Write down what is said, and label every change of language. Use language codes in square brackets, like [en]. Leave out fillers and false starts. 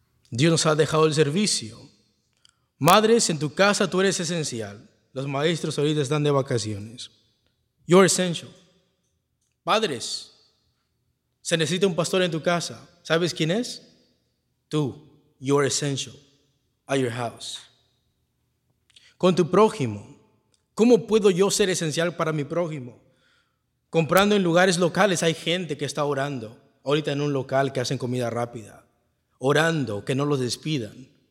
[es] Dios nos ha dejado el servicio. Madres, en tu casa tú eres esencial. Los maestros ahorita están de vacaciones. [en] You're essential. [es] Padres, se necesita un pastor en tu casa. ¿Sabes quién es? [en] Tú, you're essential at your house. [es] Con tu prójimo, ¿cómo puedo yo ser esencial para mi prójimo? Comprando en lugares locales, hay gente que está orando. Ahorita en un local que hacen comida rápida. Orando, que no los despidan.